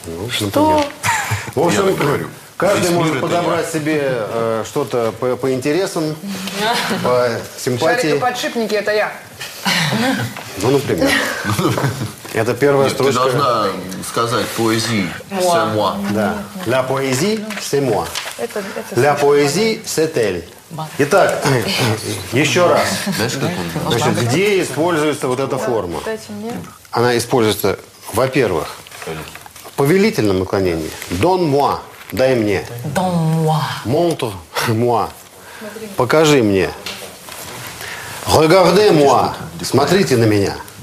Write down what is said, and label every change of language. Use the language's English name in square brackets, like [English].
[Russian] Что? В общем, говорю. Каждый может подобрать себе что-то по интересам, по симпатии. Шарик и подшипники – это я. Ну, например. Это первая строчка. Ты должна сказать «поэзии» – [French] «c'est moi». Да. «La poésie» – «c'est moi». «La poésie» – «c'est elle». [Russian] Итак, еще раз. Значит, где используется вот эта форма? Она используется, во-первых, в повелительном наклонении. [French] Don moi. [Russian] Дай мне. [French] Don moi. Montre moi. [Russian] Покажи мне. [French] Regardez moi. [Russian] Смотрите на меня.